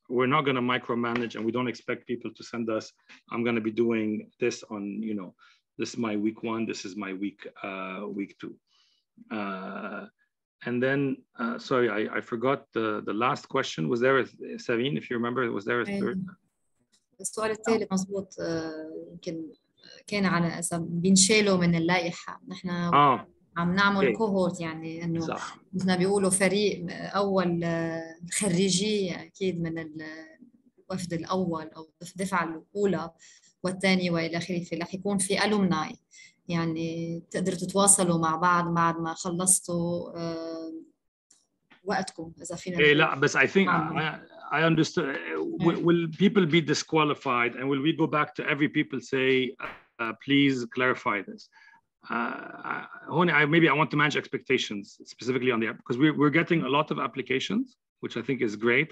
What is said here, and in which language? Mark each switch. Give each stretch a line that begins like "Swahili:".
English: We're not going to micromanage, and we don't expect people to send us, I'm going to be doing this on, you know, this is my week one, this is my week two. And then, sorry, I forgot the last question. Was there, Sarine, if you remember, was there a third?
Arabic: السؤال التالي مظبوط يمكن كان على إذا بنشاله من اللائحة نحن عم نعمل كوهورت يعني إنه مثلنا بيقولوا فريق أول خريجي أكيد من الوفد الأول أو الدفعة الأولى والثانية وإلى آخره في رح يكون في ألومناي يعني تقدروا تتواصلوا مع بعض بعد ما خلصتوا وقتكم إذا فينا إيه لا بس
English: I think I understand. Will people be disqualified and will we go back to every people say, please clarify this? Maybe I want to manage expectations specifically on the app because we're getting a lot of applications, which I think is great.